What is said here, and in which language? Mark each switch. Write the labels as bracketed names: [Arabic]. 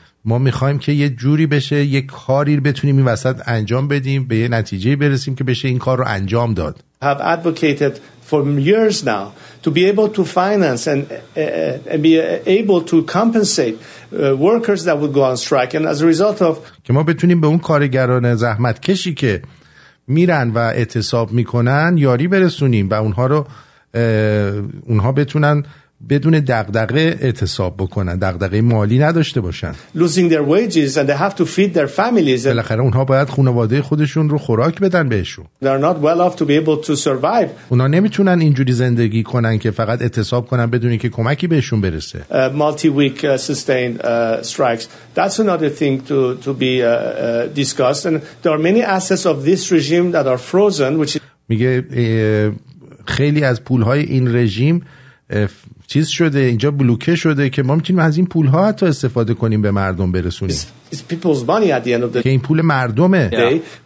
[Persian] ما میخوایم که یه جوری بشه یک کاری رو بتونیم این وسط انجام بدیم، به یه نتیجه برسیم که بشه این کار رو انجام داد. [English] Have advocated for years now to be able to finance and be able to compensate workers that would go on strike, and as a result of [Persian] که ما بتونیم به اون کارگران زحمت کشی که میرن و اعتصاب میکنن یاری برسونیم و اونها رو اونها بتونن بدون دغدغه اعتصاب بکنن، دغدغه مالی نداشته باشن. [English] Losing their wages and they have to feed their families. [Persian] بالاخره اونها باید خانواده خودشون رو خوراک بدن بهشون. [English] They are not well off to be able to survive. [Persian] اونها نمیتونن اینجوری زندگی کنن که فقط اعتصاب کنن بدون اینکه کمکی بهشون برسه. [English] Multi-week sustained strikes. That's another thing to be discussed. And there are many assets of this regime that are frozen, which is. [Persian] میگه خیلی از پولهای این رژیم چیز شده، اینجا بلوکه شده که ما میتونیم از این پول ها حتی استفاده کنیم به مردم برسونیم. که این پول مردمه.